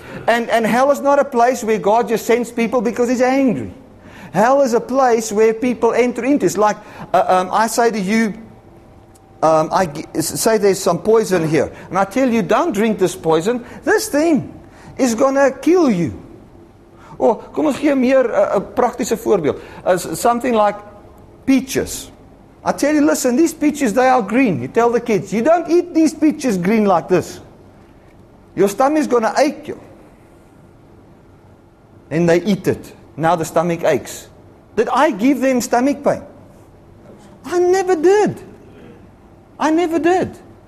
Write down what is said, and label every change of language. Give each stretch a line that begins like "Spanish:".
English: And hell is not a place where God just sends people because He's angry. Hell is a place where people enter into. It's like I say to you, I say there's some poison here. And I tell you, don't drink this poison. This thing is going to kill you.
Afrikaans: Or, kom ons gee meer 'n praktiese voorbeeld.
English: Something like peaches. I tell you, listen, these peaches, they are green. You tell the kids, you don't eat these peaches green like this. Your stomach is going to ache you. Then they eat it. Now the stomach aches. Did I give them stomach pain? I never did. I never did.